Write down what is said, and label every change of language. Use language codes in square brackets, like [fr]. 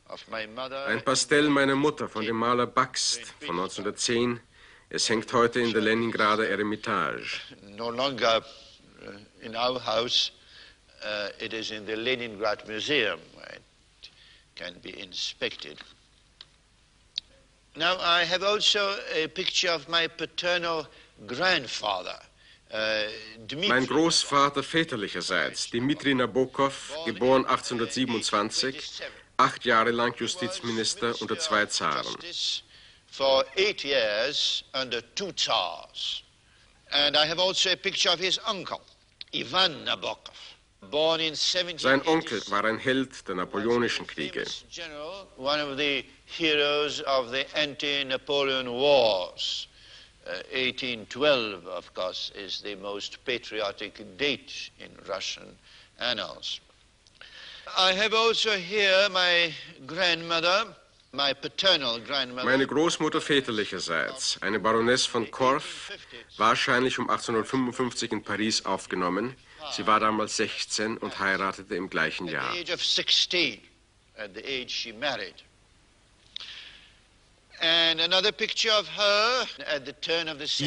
[de] Ein Pastell meiner Mutter von dem Maler Bakst von 1910. Es hängt heute in der Leningrader Eremitage. [en] No longer in our house, it is in the Leningrad Museum. It can be inspected. Now I have also a picture of my paternal grandfather. [de] Mein Großvater väterlicherseits, Dmitri Nabokov, geboren 1827, 8 Jahre lang Justizminister unter 2 Zaren. [en] For 8 years under 2 Tsars. And I have also a picture of his uncle, Ivan Nabokov, born in 1780. [de] Sein Onkel war ein Held der napoleonischen Kriege. [en] General, one of the heroes of the anti-Napoleon wars. 1812, of course, is the most patriotic date in Russian annals. I have also here my grandmother, my paternal grandmother. [de] Meine Großmutter väterlicherseits, eine Baroness von Korf, wahrscheinlich um 1855 in Paris aufgenommen. Sie war damals 16 und heiratete im gleichen Jahr. [en] At the age of 16, at the age she married. And another picture of her at the turn of the century.